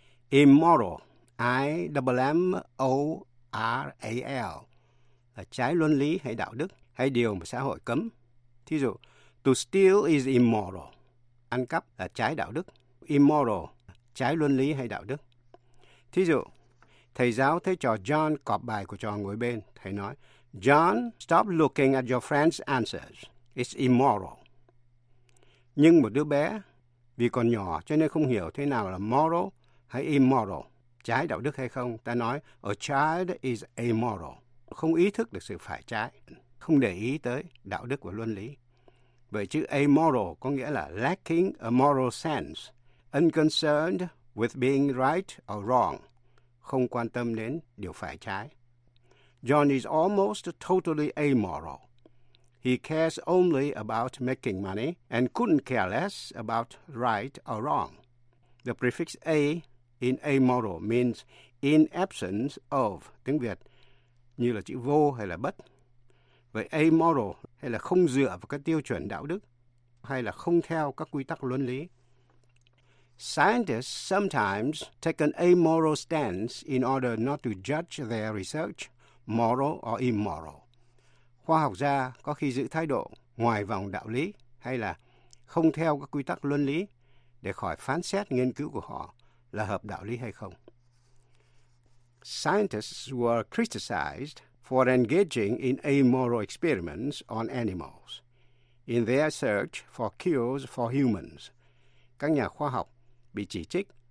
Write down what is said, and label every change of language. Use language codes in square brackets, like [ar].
[vi] Immoral, I-M-M-O-R-A-L, là trái luân lý hay đạo đức hay điều mà xã hội cấm. Thí dụ, [en] to steal is immoral, [vi] ăn cắp là trái đạo đức. Immoral, trái luân lý hay đạo đức. Thí dụ, thầy giáo thấy trò John cọp bài của trò ngồi bên. Thầy nói, [en] John, stop looking at your friend's answers. It's immoral. [vi] Nhưng một đứa bé, vì còn nhỏ cho nên không hiểu thế nào là moral hay immoral, trái đạo đức hay không. Ta nói, [en] a child is amoral. [vi] Không ý thức được sự phải trái, không để ý tới đạo đức và luân lý. Vậy chữ amoral có nghĩa là [en] lacking a moral sense, unconcerned with being right or wrong. [vi] Không quan tâm đến điều phải trái. [en] John is almost totally amoral. He cares only about making money and couldn't care less about right or wrong. The prefix A in amoral means in absence of, [vi] tiếng Việt, như là chữ vô hay là bất. Vậy amoral hay là không dựa vào các tiêu chuẩn đạo đức hay là không theo các quy tắc luân lý. [en] Scientists sometimes take an amoral stance in order not to judge their research moral or immoral. [vi] Khoa học gia có khi giữ thái độ ngoài vòng đạo lý hay là không theo các quy tắc luân lý để khỏi phán xét nghiên cứu của họ là hợp đạo lý hay không. [en] Scientists were criticized for engaging in amoral experiments on animals in their search for cures for humans. [vi] Các nhà khoa học bị chỉ trích